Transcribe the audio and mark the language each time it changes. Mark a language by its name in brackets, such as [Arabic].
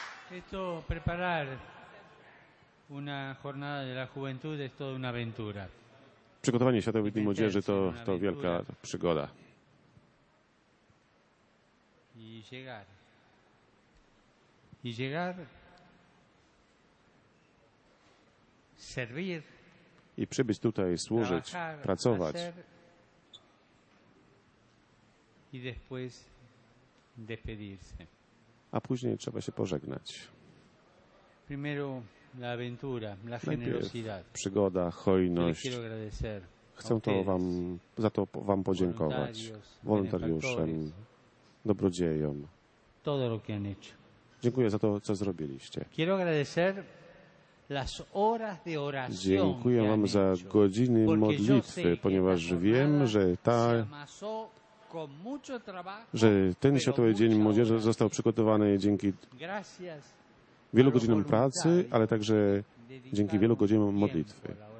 [Spanish] Esto preparar una jornada de la juventud es toda una aventura. [Polish] Przygotowanie Światowych Dni Młodzieży to wielka przygoda. [Spanish] I llegar. Servir. [Polish] I przybyć tutaj, służyć, pracować. [Spanish] I después despedirse. [Polish] A później trzeba się pożegnać. [Spanish] Primero la aventura, la generosidad. [Polish] Przygoda, hojność. Chcę to wam, za to wam podziękować. Wolontariuszem, dobrodziejom. [Spanish] Todo lo que han hecho. [Polish] Dziękuję za to, co zrobiliście. [Spanish] Quiero agradecer las horas de oración. [Polish] Dziękuję wam za godziny modlitwy, ponieważ wiem, że ta... że ten Światowy Dzień Młodzieży został przygotowany dzięki wielu godzinom pracy, ale także dzięki wielu godzinom modlitwy.